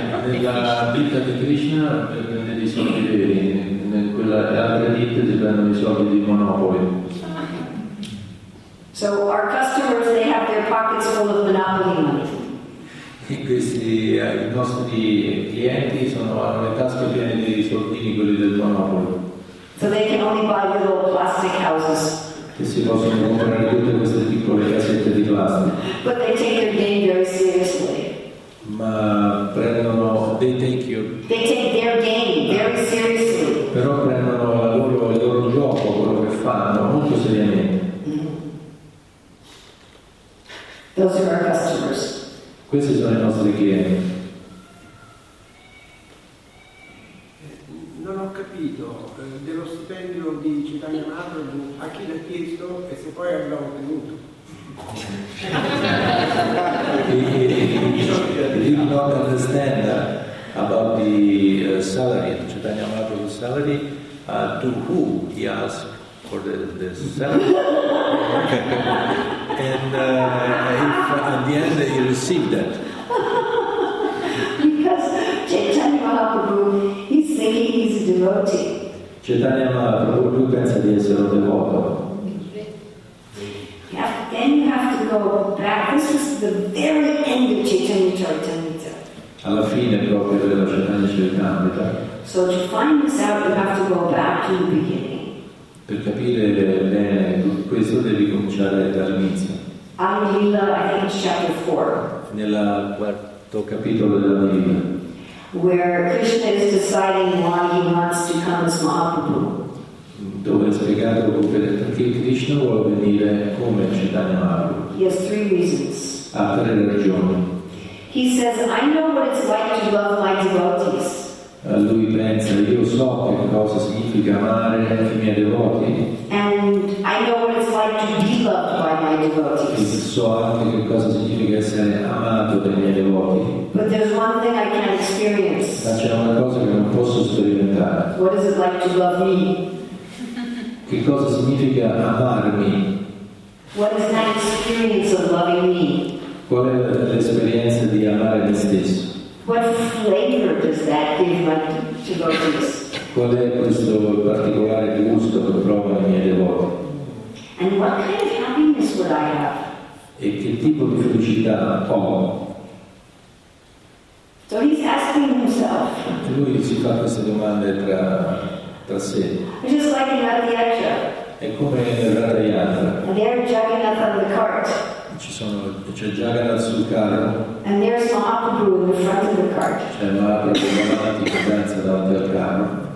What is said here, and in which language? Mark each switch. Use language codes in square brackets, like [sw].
[it] Nella vita di Krishna prendete i soldi veri, in quella altra ditta si prendono i soldi di Monopoli. [en] So our customers, they have their pockets full of monopoly money. [it] I nostri clienti hanno le tasche piene di soldini, quelli del Monopoli. [en] So they can only buy little plastic houses. [it] Che si possono comprare tutte queste piccole casette di plastica. [en] But they take their game very seriously. [it] Ma prendono, [en] they take you. They take their game very seriously. [it] Però prendono il loro gioco, quello che fanno, molto seriamente. [en] Those are our customers. [it] Questi sono i nostri clienti. Non ho capito dello stipendio di Chaitanya Mahaprabhu, a chi l'ha chiesto e se poi l'ha ottenuto. [en] I do not understand about the salary, Chaitanya Mahaprabhu's salary, to who he asked for the salary. And at the end, he received that. Because Chaitanya Mahaprabhu, he's saying he's a devotee. [it] Chaitanya Mahaprabhu, lui pensa di essere un devoto. [en] Yeah, then you have to go back. This is the very end of Chaitanya Charitamrita. [it] Alla fine proprio della Chaitanya Charitamrita. [en] So to find this out, you have to go back to the beginning. [it] Per capire bene questo devi cominciare dall'inizio. [en] Adilila, I think it's chapter 4. [it] Nel quarto capitolo della Divina. [en] Where Krishna is deciding why he wants to come as Mahaprabhu. [it] dove è spiegato perché Krishna vuole venire come Chaitanya Mahaprabhu. [en] He has three reasons. [it] Ha tre ragioni. [en] He says, I know what it's like to love my devotees. [it] Lui pensa, io so che cosa significa amare i miei devoti. [en] And I know what it's like to be loved by my devotees. [it] E so anche che cosa significa essere amato dai miei devoti. [en] But there's one thing I can't experience. [it] Ma c'è una cosa che non posso sperimentare. [en] What is it like to love me? [it] Che cosa significa amarmi? [en] What is that experience of loving me? [it] Qual è l'esperienza di amare me stesso? [en] What flavor does that give my devotees? [it] Qual è questo particolare gusto che provo ai miei devoti? [en] And what kind of happiness would I have? [it] E che tipo di felicità ho? [en] So he's asking himself. [it] E lui si fa queste domande tra sé. [en] Just like in Adiyatra. [it] È come in Radhayatra. [en] And they are jumping up on the cart. [it] C'è Jagannath sul carro. [en] And there's Mahaprabhu in the front of the cart. [it] C'è Mahaprabhu davanti che danza davanti al carro.